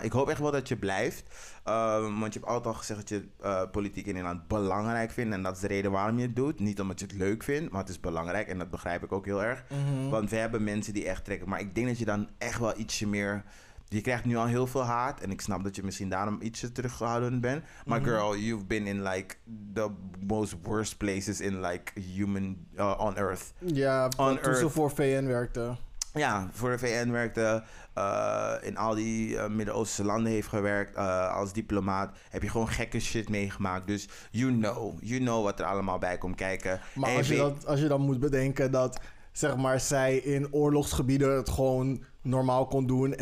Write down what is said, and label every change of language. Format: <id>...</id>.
<nl>Ik hoop echt wel dat je blijft. Want je hebt altijd al gezegd dat je politiek in Nederland belangrijk vindt. En dat is de reden waarom je het doet. Niet omdat je het leuk vindt, maar het is belangrijk. En dat begrijp ik ook heel erg. Mm-hmm. Want we hebben mensen die echt trekken. Maar ik denk dat je dan echt wel ietsje meer... Je krijgt nu al heel veel haat. En ik snap dat je misschien daarom ietsje teruggehouden bent.</nl> <en>Maar girl, you've been in like the most worst places in like human on earth.</en> <nl>Ja,</nl> <en>on earth.</en> <nl>Toen ze voor VN werkte. Ja, voor de VN werkte. In al die Midden-Oostense landen heeft gewerkt. Als diplomaat heb je gewoon gekke shit meegemaakt. Dus</nl> <en>you know</en> <nl>wat er allemaal bij komt kijken. Maar als je dan moet bedenken dat... zeg maar, zij in oorlogsgebieden het gewoon normaal kon doen...</nl>